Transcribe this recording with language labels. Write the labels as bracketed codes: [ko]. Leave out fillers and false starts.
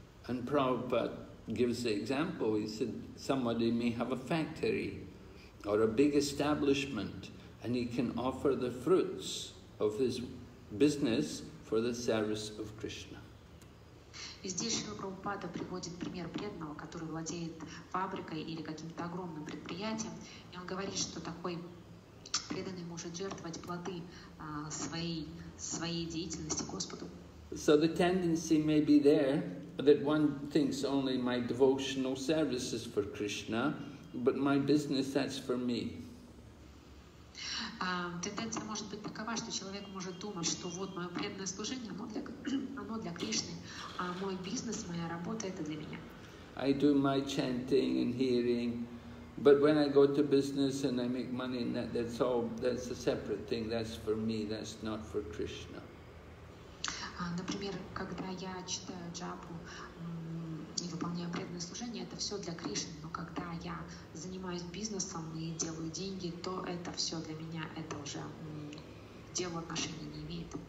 [en] And Prabhupada gives the example, he said, somebody may have a factory or a big establishment and he can offer the fruits of his business for the service of Krishna. [ru] И здесь Шрила Прабхупада приводит пример преданного, который владеет фабрикой или каким-то огромным предприятием, и он говорит, что такой преданный может жертвовать плоды своей деятельности Господу. [en] So the tendency may be there that one thinks only my devotional service is for Krishna, but my business, that's for me. [ru] Тенденция может быть такова, что человек может думать, что вот мое преданное служение, оно для Кришны, а мой бизнес, моя работа — это для меня. [en] I do my chanting and hearing, but when I go to business and I make money, that's a separate thing, that's for me, that's not for Krishna. [ru] Например, когда я читаю джапу и выполняю преданное служение, это все для Кришны. Но когда я занимаюсь бизнесом и делаю деньги, то это все для меня, это уже дело отношения не имеет.